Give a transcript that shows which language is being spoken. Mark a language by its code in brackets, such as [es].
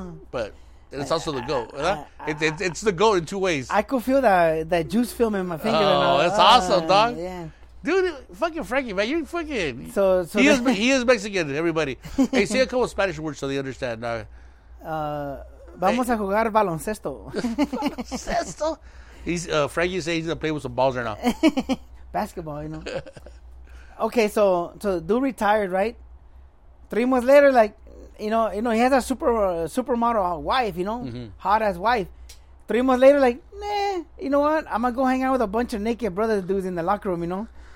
[en] But it's also the goat. It's the goat in two ways. I could feel that juice film in my finger. Oh, that's awesome, dog. Yeah. Dude, fucking Frankie, man. You're fucking... So he is Mexican, everybody. Hey, say a couple of Spanish words so they understand, dog. [es] Vamos a jugar baloncesto. Baloncesto? [en] He's Frankie says he's gonna play with some balls right now. Basketball, you know. Okay, so dude retired, right? 3 months later, like, you know, he has a supermodel wife, you know, hot ass wife. 3 months later, like, nah, you know what? I'm gonna go hang out with a bunch of naked brother dudes in the locker room, you know.